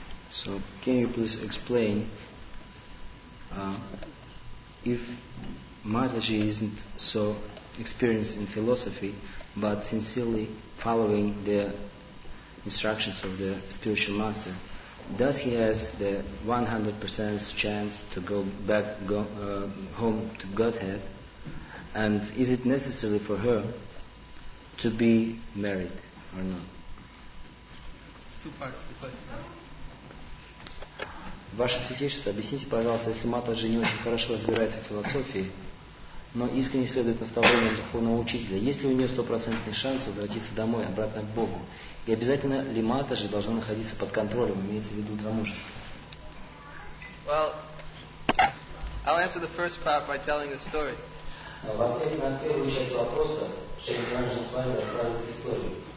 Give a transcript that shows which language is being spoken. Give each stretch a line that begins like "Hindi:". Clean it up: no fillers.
English: So, can you please explain if Mataji isn't so experienced in philosophy, but sincerely following the instructions of the spiritual master, does he has the 100% chance to go back home to Godhead? And is it necessary for her to be married or not? It's two parts of the question.
Russian: Ваше святейшество, объясните, пожалуйста, если Матаджи не очень хорошо разбирается в философии, но искренне следует наставлениям духовного учителя, есть ли у нее 100% шанс возвратиться домой, обратно к Богу? И обязательно ли Матаджи должна находиться под контролем, имеется в виду замужество?
English: Well, I'll answer the first part by telling a story.
Russian: В ответ на первую часть вопроса, Шри-Матаджи с вами расскажет историю.